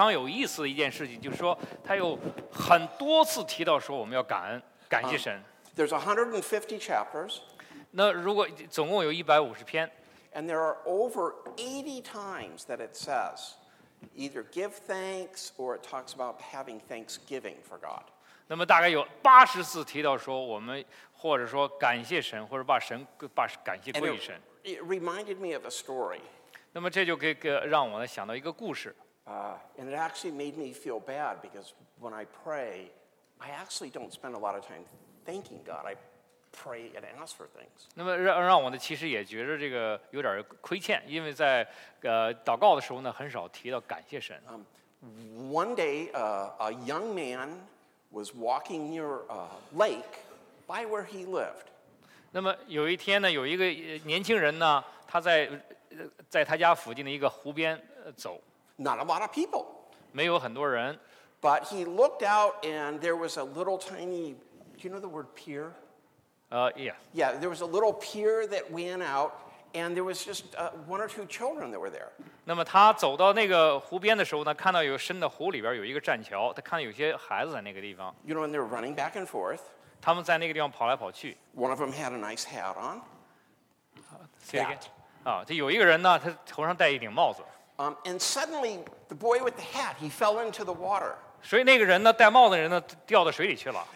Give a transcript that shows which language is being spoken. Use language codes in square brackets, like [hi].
[zh] 非常有意思的一件事情，就是说他有很多次提到说我们要感恩，感谢神。 [en] There's 150 chapters. [zh] 那如果总共有150篇。 [en] And there are over 80 times that it says either give thanks or it talks about having thanksgiving for God. [zh] 那么大概有80次提到说我们或者说感谢神，或者把神把感谢归于神。 [en] It reminded me of a story. [zh] 那么这就让我想到一个故事。 [en] And it actually made me feel bad because when I pray, I actually don't spend a lot of time thanking God. I pray and ask for things. [zh] 那么让我呢，其实也觉得这个有点亏欠，因为在祷告的时候呢，很少提到感谢神。 [en] One day, a young man was walking near a lake by where he lived. [zh] 那么有一天呢，有一个年轻人呢，他在他家附近的一个湖边走。 [en] Not a lot of people. [zh] 没有很多人。 [en] But he looked out and there was a little tiny, do you know the word pier? Yeah. Yeah, there was a little pier that went out and there was just one or two children that were there. [zh] 那么他走到那个湖边的时候呢，看到有深的湖里边有一个栈桥，他看到有些孩子在那个地方。 [en] You know, and they're running back and forth. [zh] 他们在那个地方跑来跑去。 [en] One of them had a nice hat on. Say again. [zh] 他有一个人呢，他头上戴一顶帽子。 [en] And suddenly, the boy with the hat, he fell into the water. [zh] 所以那个人呢，戴帽子的人呢，掉到水里去了。